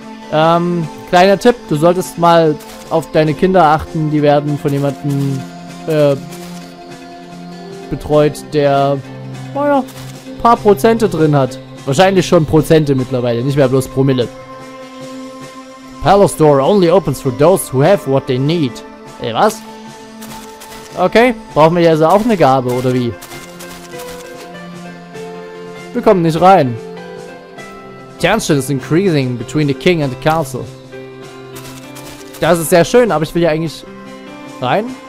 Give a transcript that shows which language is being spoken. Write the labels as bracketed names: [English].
[German] Kleiner Tipp, du solltest mal auf deine Kinder achten, die werden von jemandem betreut, der, naja, paar Prozente drin hat. Wahrscheinlich schon Prozente mittlerweile, nicht mehr bloß Promille. [English] Palace door only opens for those who have what they need. [German] Ey, was? Okay, brauchen wir also auch eine Gabe, oder wie? Wir kommen nicht rein. [English] Tension is increasing between the king and the council. [German] Das ist sehr schön, aber ich will ja eigentlich rein.